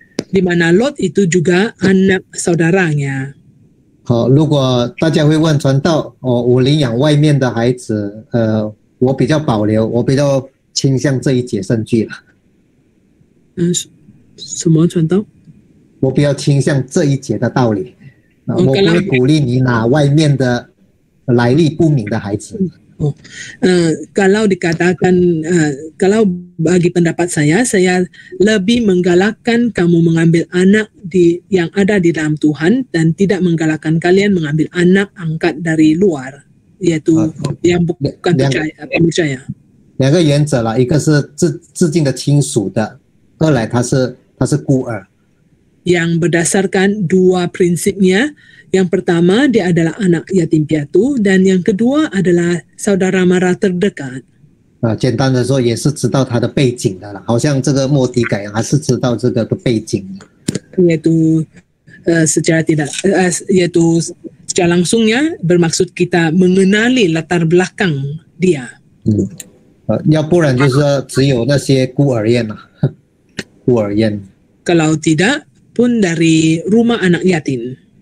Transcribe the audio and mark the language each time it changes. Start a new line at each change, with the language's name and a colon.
Malay: Di mana Lot itu juga anak saudaranya.
Chinese: 如果大家会问传道，我领养外面的孩子，我比较保留，我比较倾向这一节圣句了。什么传道？我比较倾向这一节的道理。我不会鼓励你拿外面的来历不明的孩子。
Malay: Kalau dikatakan, kalau bagi pendapat saya, saya lebih menggalakkan kamu mengambil anak yang ada di dalam Tuhan dan tidak menggalakkan kalian mengambil anak angkat dari luar, yaitu yang bukan percaya.
Chinese: 两个原则啦，一个是至亲的亲属的，二来他是孤儿。
Malay: yang berdasarkan dua prinsipnya. Yang pertama, dia adalah anak yatim piatu, dan yang kedua adalah saudara mara terdekat.
Chinese: 简单的说也是知道他的背景的，好像这个莫迪改，还是知道这个背景的。
Malay: Yaitu secara tidak, yaitu secara langsungnya bermaksud kita mengenali latar belakang dia.
Chinese: 要不然就是只有那些孤儿院，孤儿院。
Malay: Kalau tidak pun dari rumah anak yatim.